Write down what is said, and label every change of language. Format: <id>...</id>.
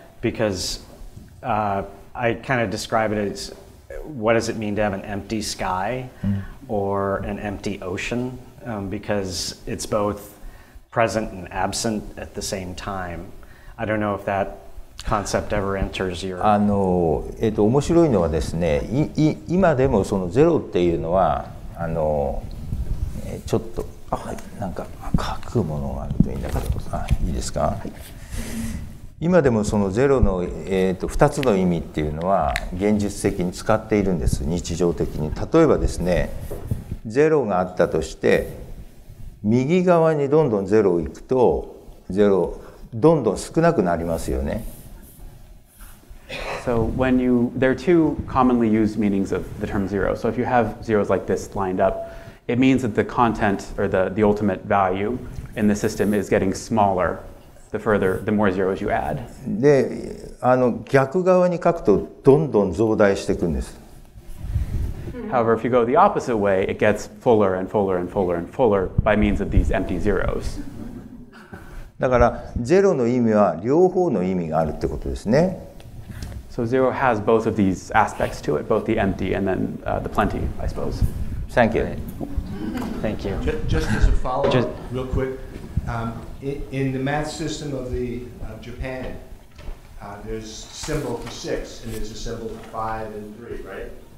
<en>Because I kind of describe it as, what does it mean to have an empty sky or an empty ocean? Because it's both present and absent at the same time. I don't know if that concept ever enters your...</en> <ja>あの、面白いのはですね、今でもそのゼロっていうのは、あの、ちょっと、あ、はい、なんか書くものがあるといいんだけど、あ、いいですか。はい、今でもそのゼロの、2つの意味っていうのは現実的に使っているんです、日常的に。例えばですね、ゼロがあったとして、右側にどんどんゼロ行くと、ゼロ、どんどん少なくなりますよね。</ja> <en>So when you, there are two commonly used meanings of the term zero. So if you have zeros like this lined up, it means that the content or the ultimate value in the system is getting smaller the further, the more zeros you add.</en> <ja>で、あの逆側に書くとどんどん増大していくんです。</ja> <en>However, if you go the opposite way, it gets fuller and fuller and fuller and fuller by means of these empty zeros.</en> <ja>だからゼロの意味は両方の意味があるってことですね。</ja> <en>So zero has both of these aspects to it, both the empty and then the plenty, I suppose. Thank you. Thank you. Just as a follow-up, real quick, in the math system of the Japan, there's symbol for six and there's a symbol for five and three, right?</en>